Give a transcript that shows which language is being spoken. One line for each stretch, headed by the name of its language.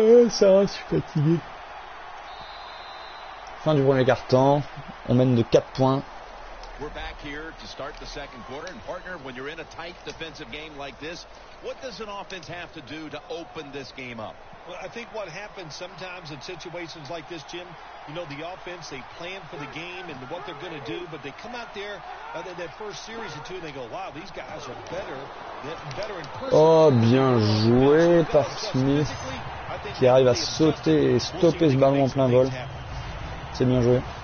French: Ça va, je suis fatigué. Fin du premier quart-temps, on mène de 4 points.
English: We're back here to start the second quarter. And partner, when you're in a tight defensive game like this, what does an offense have to do to open this game up? Well, I think what happens sometimes in situations like this, Jim, you know, the offense, they plan for the game and what they're going to do, but they come out there in that first series or two and they go, wow, these guys are better in person.
French: Oh, bien joué par Smith, qui arrive à sauter et stopper ce ballon en plein vol. C'est bien joué.